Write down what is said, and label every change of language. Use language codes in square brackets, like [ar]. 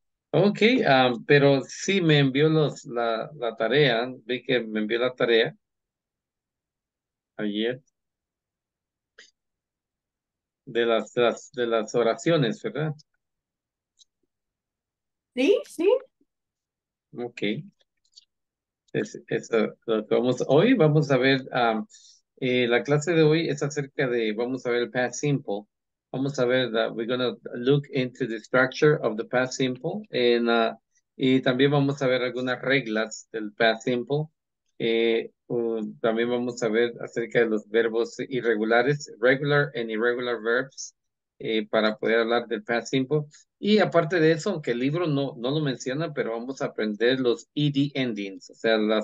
[es] Ok, pero sí me envió la tarea, vi que me envió la tarea ayer de las oraciones, ¿verdad? Sí. Ok. Es lo que vamos, hoy vamos a ver, la clase de hoy es acerca de, vamos a ver el past simple. Vamos a ver, [en] we're gonna look into the structure of the past simple. [es] Y también vamos a ver algunas reglas del past simple. También vamos a ver acerca de los verbos irregulares, [en] regular and irregular verbs. [es] Para poder hablar del past simple. Y aparte de eso, aunque el libro no lo menciona, pero vamos a aprender los ed endings, o sea,